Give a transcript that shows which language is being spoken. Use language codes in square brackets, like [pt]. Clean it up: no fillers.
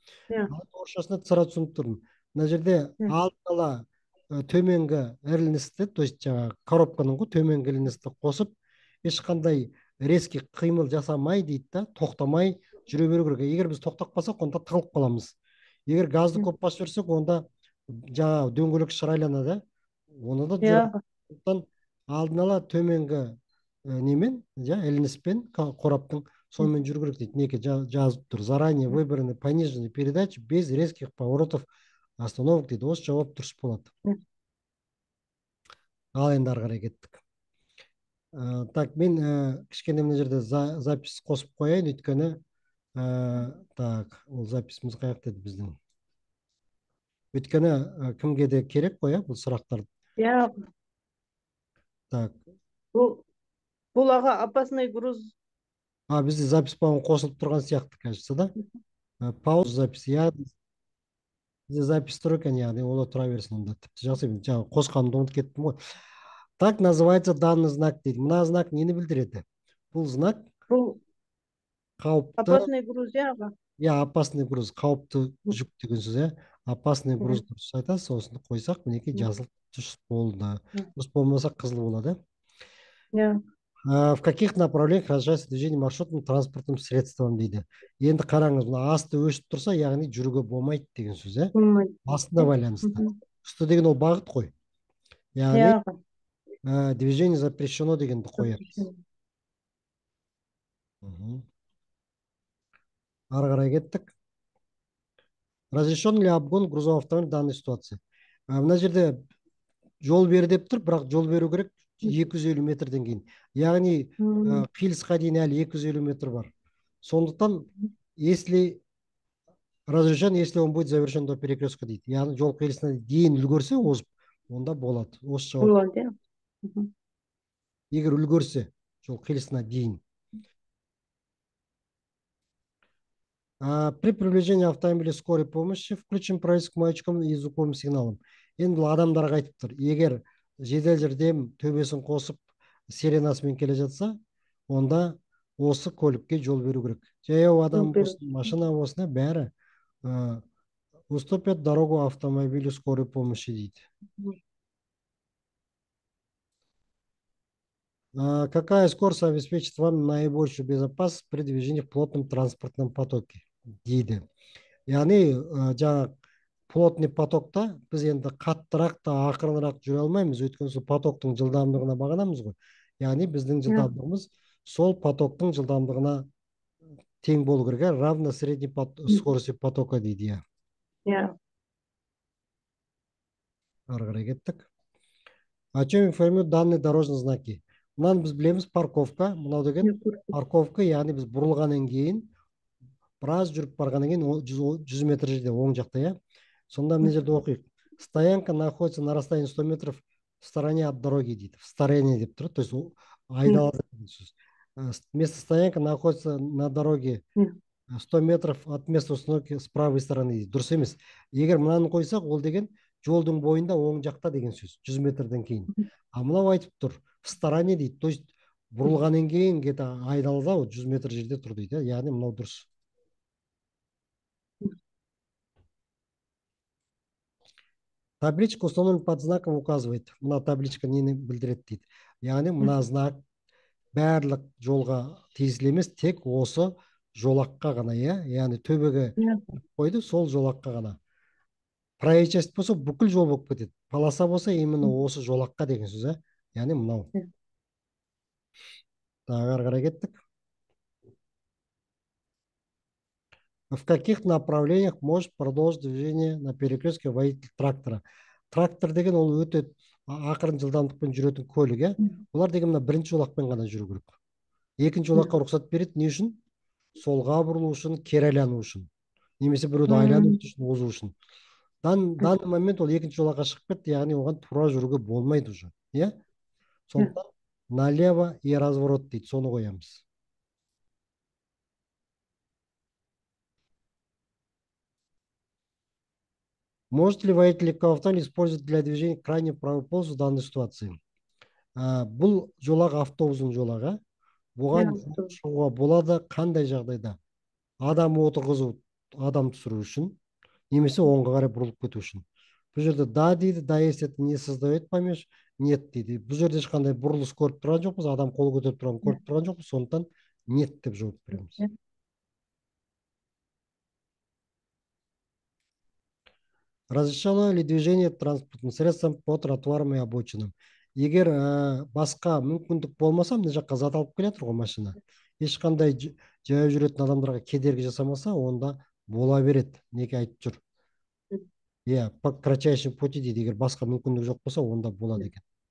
[kk] Орысшасында сыра түсініп тұрмын. Мына жерде алдын ала төменгі іліністі, [ru] то есть [kk] жаңағы коробканың ғой төменгі іліністі қосып ешқандай резкий қимыл жасамай дейді да, тоқтамай жүре беру керек. Егер біз тоқтап қалсақ онда тығылып қаламыз. Егер газды көп басып жіберсек онда жаңағы дөңгелек шырайлана да, оны да жүре. Сондықтан алдын ала төменгі немен ілініспен қораптың сонымен жүру керек дейді. Неке жазып тұр: [ru] заранее выбраны пониженные передачи без резких поворотов остановок дейді. [kk] Осы жауап дұрыс болады. Ал енді ары қарай кеттік. Так, мен кішкене мына жерде запись қосып қояйын, өйткені так ол записіміз қай жақта еді біздің. Өйткені кімге де керек қой бұл сұрақтар. Так. Бұл аға [ru] опасный груз. [kk] Бізде запись [ru] по-моему [kk] қосылып тұрған сияқты, [ru] кажется, да? [kk] Пауза запись. Я бізде запись тұр екен, яғни ола тұра берсін онда. Тіпті жақсы, мен жаңа қосқанымды ұмытып кеттім ғой. [ru] Так называется данный знак дейді. [kk] Мына знак нені білдіреді? Бұл знак Бұл қауіпті, [ru] опасный груз, [kk] я аға. иә, [ru] опасный груз, [kk] қауіпті жүк деген сөз, иә. [ru] Опасный груз [kk] дұрыс айтасыз. Осыны қойсақ мінекей жасыл түс болды. Дұрыс болмаса қызыл болады. [ru] В каких направлениях разрешается движение маршрутным транспортным средством дейді. [kk] Енді қараңыз, мына асты өшіп тұрса, яғни жүруге болмайды деген сөз, иә? Астына байланысты. Үсті деген ол бағыт қой. Яғни [ru] движение запрещено [kk] дегенді қоямыз. Ары қарай кеттік. [ru] Разрешен ли обгон грузового автомобиля в данной ситуации? [kk] Мына жерде жол бер деп тұр, бірақ жол беру керек 250 метрден кейін. Яғни қиылысқа дейін әлі 250 метр бар. Сондықтан, [ru] если разрешен, если он будет завершен до перекрестка [kk] дейді. Яғни жол қиылысына дейін үлгерсе озып, онда болады. Осы жауап. Егер үлгерсе жол қиылысына дейін. [ru] При приближении автомобиля скорой помощи включим происк маячком и звуковым сигналом. [kk] Енді бұл адамдарға айтып тұр. Егер жедел жәрдем төбесін қосып сиренасымен келе жатса, онда осы көлікке жол беру керек. Жаяу адам болсын, машина болсын, бәрі [ru] уступят дорогу автомобилю скорой помощи [kk] дейді. [ru] Какая скорость обеспечит вам наибольшую безопасность при движении в плотном транспортном потоке? [kk] Дейді. Яғни жаңа плотный потокта біз енді қаттырақ та ақырынырақ жүре алмаймыз, өйткені сол потоктың жылдамдығына бағанамыз ғой. Яғни біздің жылдамдығымыз сол потоктың жылдамдығына тең болу керек, [ru] равно средней скорости потока [kk] дейді. Ары қарай кеттік. [ru] О чем информируют данные дорожные знаки? [kk] Мынаны біз білеміз, парковка. Мынау деген парковка, яғни біз бұрылғаннан кейін біраз жүріп барғаннан кейін 100 метр жерде оң жақта, иә. Сонда мына жерде оқиық. [ru] Стоянка находится на расстоянии 100 метров в стороне от дороги дейді. В стороне [kk] деп тұр, [ru] то есть [kk] айдала деген сөз. [ru] Место стоянка находится на дороге 100 метров от места установки с правой стороны дейді. [kk] Дұрыс емес. Егер мынаны қойсақ, ол деген жолдың бойында оң жақта деген сөз, 100 метрден кейін. Ал мынау айтып тұр, [ru] в стороне [kk] дейді, [ru] то есть [kk] бұрылғаннан кейін [ru] где-то [kk] айдалада 100 метр жерде тұр дейді. Яғни мынау дұрыс. [ru] Табличка установлена под знаком указывает. [kk] Мына табличка нені білдіреді дейді. Яғни мына знак барлық жолға тиесілі емес, тек осы жолаққа ғана, иә. Яғни төбеге қойды, сол жолаққа ғана. [ru] Проезжая часть [kk] болса бүкіл жол болып кетеді. Паласа болса именно осы жолаққа деген сөз, иә. Яғни мынау. Тағы ары қарай кеттік. [ru] В каких направлениях может продолжить движение на перекрестке водитель трактора? [kk] Трактор деген ол өте ақырын жылдамдықпен жүретін көлік, иә. Олар деген мына бірінші жолақпен ғана жүру керек. Екінші жолаққа рұқсат береді. Не үшін? Солға бұрылу үшін, кері айлану үшін. Немесе біреуді айлану үшін, озу үшін. [ru] Данный момент [kk] ол екінші жолаққа шығып кетті, яғни оған тура жүруге болмайды [ru] уже, [kk] иә. Сондықтан [ru] налево и разворот [kk] дейді, соны қоямыз. [ru] Может ли водитель легкого автомобиля использовать для движения крайне правую полосу в данной ситуации? [kk] Бұл жолақ автобусының жолағы. Оған шығуға болады, қандай жағдайда? Адам отырғызу, адам түсіру үшін, немесе оңға қарай бұрылып кету үшін. Бұл жерде [ru] да дейді, да есть это не создает помеш, нет дейді. [kk] Бұл жерде ешқандай бұрылыс көріп тұрған жоқпыз, адам қол көтеріп тұрған көріп тұрған жоқпыз, сондықтан нет деп жауап береміз. [ru] Разрешено ли движение транспортным средством по тротуарам и обочинам? [kk] Егер басқа мүмкіндік болмаса, мына жаққа зат алып келе тұр ғой машина. Ешқандай жаяу жүретін адамдарға кедергі жасамаса, онда бола береді. Неге айтып жүр? Иә, [ru] по кратчайшим пути [kk] дейді. Егер басқа мүмкіндік жоқ болса, онда болады екен.